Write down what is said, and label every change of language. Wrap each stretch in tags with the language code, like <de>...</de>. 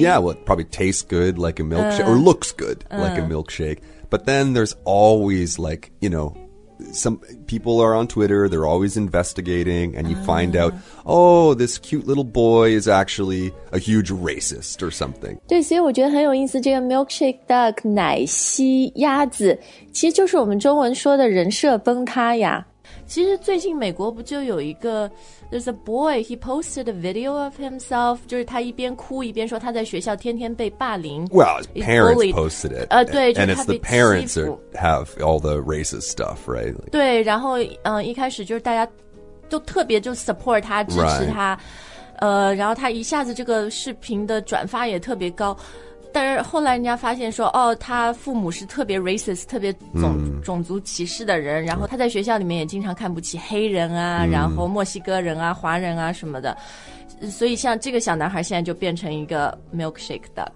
<en>Yeah, well, it probably tastes good like a milkshake, or looks good like a milkshake. But then there's always like, you know,Some people are on Twitter, they're always investigating, and you find out, oh, this cute little boy is actually a huge racist or something.</en> <zh>对，所以我觉得很有意思，这个 milkshake duck, 奶昔鸭子，其实就是我们中文说的人设崩塌呀。其实最近美国不就有一个</zh> <en>There's a boy, he posted a video of himself</en> <zh>就是他一边哭一边说他在学校天天被霸凌</zh> <en>Well, his parents posted it</en> <zh>对</zh> <en>And it's the parents have all the racist stuff, right?</en> <zh>对然后一开始就是大家就特别就 support 他支持他、</zh> <en>right.</en> <zh>然后他一下子这个视频的转发也特别高但是后来人家发现说哦，他父母是特别 racist 特别 种族歧视的人，然后他在学校里面也经常看不起黑人啊，然后墨西哥人啊华人啊什么的，所以像这个小男孩现在就变成一个 milkshake duck</zh>